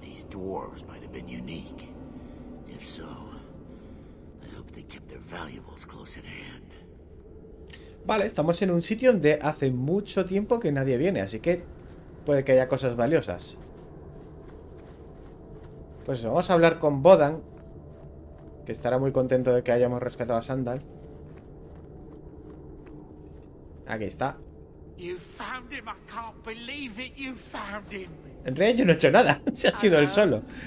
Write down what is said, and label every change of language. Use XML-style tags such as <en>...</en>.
<en>Dwarves might have been unique. If so, I hope they kept their valuables close at hand.</en> <es>Vale, estamos en un sitio donde hace mucho tiempo que nadie viene, así que puede que haya cosas valiosas. Pues eso, vamos a hablar con Bodan, que estará muy contento de que hayamos rescatado a Sandal. Aquí está.</es> <en>You found him, I can't believe it, you found him.</en> <es>En realidad yo no he hecho nada, se ha sido él solo.</es>